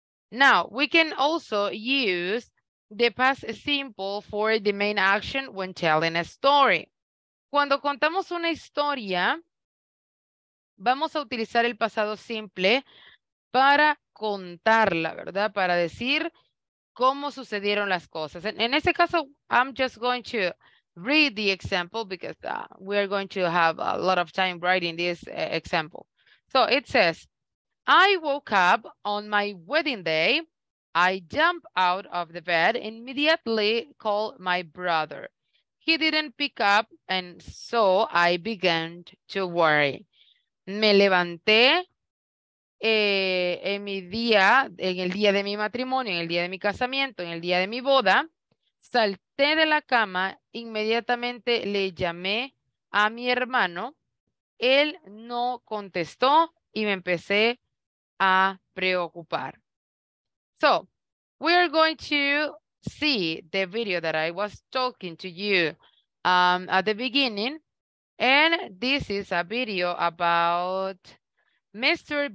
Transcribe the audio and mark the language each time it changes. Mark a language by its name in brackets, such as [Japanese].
[English] Now, we can also use the past simple for the main action when telling a story. [Spanish] Cuando contamos una historia, vamos a utilizar el pasado simple para contarla, ¿verdad? Para decir cómo sucedieron las cosas. En ese caso, [English] I'm just going to read the example because we are going to have a lot of time writing this example. So it says, I woke up on my wedding day. I jumped out of the bed, immediately called my brother. He didn't pick up, and so I began to worry. [Spanish] Me levanté en mi día, en el día de mi matrimonio, en el día de mi casamiento, en el día de mi boda. Salté de la cama, inmediatamente le llamé a mi hermano. Él no contestó y me empecé a preocupar. [English] So, we are going to see the video that I was talking to you at the beginning, and this is a video about Mr.